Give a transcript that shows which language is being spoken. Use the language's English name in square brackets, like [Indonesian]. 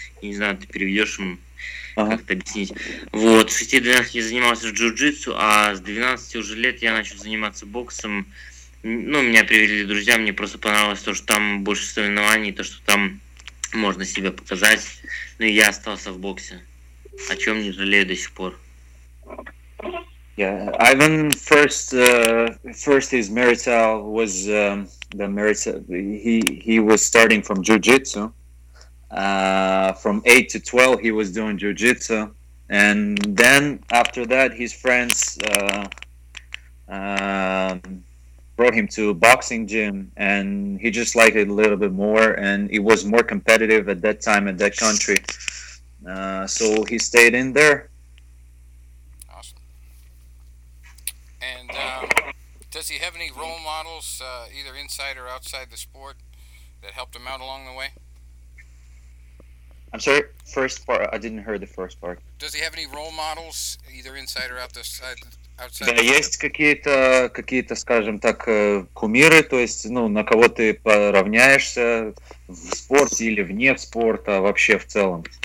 [Russian] Не знаю, ты переведешь ему. Ага. Как-то объяснить. Вот, с 6-12 я занимался джиу-джитсу, а с 12 уже лет я начал заниматься боксом. Ну, меня привели друзья, мне просто понравилось то, что там больше соревнований, то, что там можно себя показать. Ну, и я остался в боксе, о чем не жалею до сих пор. Yeah, Ivan first his Meritel was the Meritel. [English] He was starting from jiu-jitsu. From 8 to 12 he was doing jiu-jitsu, and then after that his friends brought him to a boxing gym, and he just liked it a little bit more, and it was more competitive at that time in that country. So he stayed in there. And does he have any role models, either inside or outside the sport, that helped him out along the way? I'm sorry, first part, I didn't hear the first part. Does he have any role models, either inside or outside? [Russian] Да, есть какие-то, скажем так, кумиры, то есть, ну, на кого ты поравняешься в спорте или вне спорта, вообще в целом?